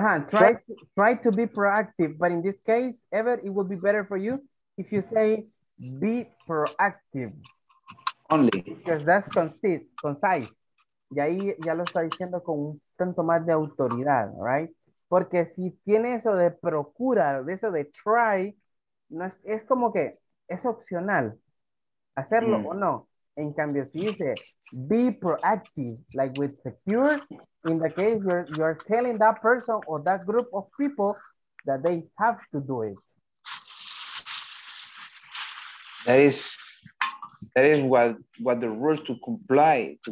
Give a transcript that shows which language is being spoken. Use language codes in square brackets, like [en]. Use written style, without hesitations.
[en] try to be proactive, but in this case, ever, it would be better for you if you say be proactive only, because that's concise. [es] Y ahí ya lo está diciendo con un tanto más de autoridad, [en] right? [es] Porque si tiene eso de procura, de eso de try, no es, es como que es opcional hacerlo o no. En cambio, si dice [en] be proactive, like with secure, in the case you're telling that person or that group of people that they have to do it. That is what the rules to comply.